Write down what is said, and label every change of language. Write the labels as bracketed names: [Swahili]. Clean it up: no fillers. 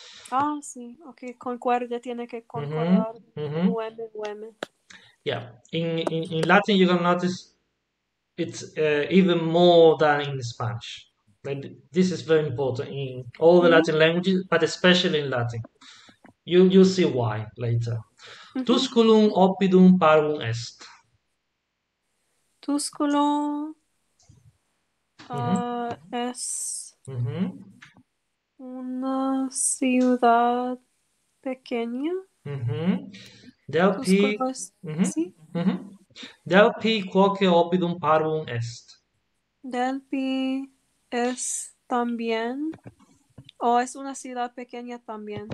[Spanish] Ah, sí, ok, concuerde, tiene que concordar. Nueve, nueve. [English] In Latin, you're gonna notice it's even more than in Spanish. Like, this is very important in all the Latin languages, but especially in Latin. You'll see why later. [Latin] Tusculum oppidum parvum est. [Spanish] Tusculo es una ciudad pequeña. Delphi, Tusculo es, sí. [Latin] Delphi quoque oppidum parvum est. [Spanish] Delphi es también, es una ciudad pequeña también.